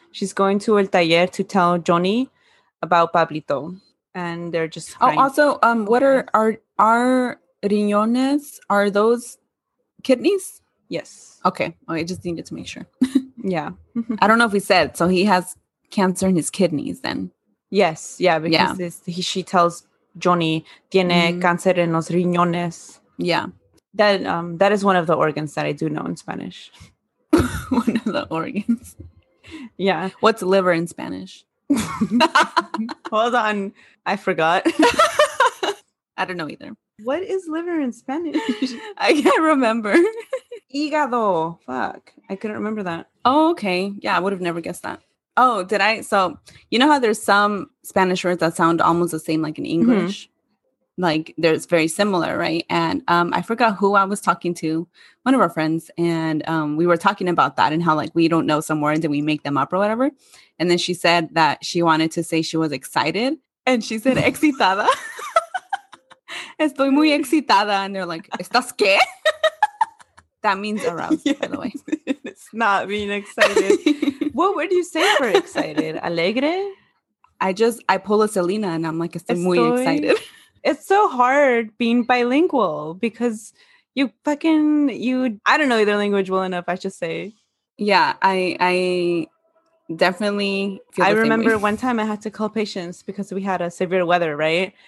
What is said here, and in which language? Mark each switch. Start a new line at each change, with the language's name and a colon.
English: She's going to El Taller to tell Johnny about Pablito. And they're just... Oh, also, what are our riñones? Are those kidneys? Yes. Okay. Oh, I just needed to make sure. Yeah. I don't know if we said, so he has cancer in his kidneys then. Yes. Yeah. She tells Johnny,
Spanish: tiene cáncer en los riñones.
English: Yeah. That is one of the organs that I do know in Spanish. One of the organs. Yeah. What's liver in Spanish? Hold on. I forgot. I don't know either. What is liver in Spanish? I can't remember. Hígado. Fuck. I couldn't remember that. Oh, okay. Yeah, I would have never guessed that. Oh, did I? So, you know how there's some Spanish words that sound almost the same like in English? Mm-hmm. Like, there's very similar, right? And I forgot who I was talking to, one of our friends, and we were talking about that and how, like, we don't know some words and we make them up or whatever. And then she said that she wanted to say she was excited. And she said,
Spanish: excitada. Estoy muy excitada.
English: And they're like,
Spanish: ¿estás qué?
English: That means aroused, yes. By the way. It's not being excited. What word do you say for excited?
Spanish: Alegre?
English: I pull a Selena and I'm like,
Spanish: estoy muy
English: excited. It's so hard being bilingual because I don't know either language well enough, I should say. Yeah, I definitely feel I remember way. One time I had to call patients because we had a severe weather, right?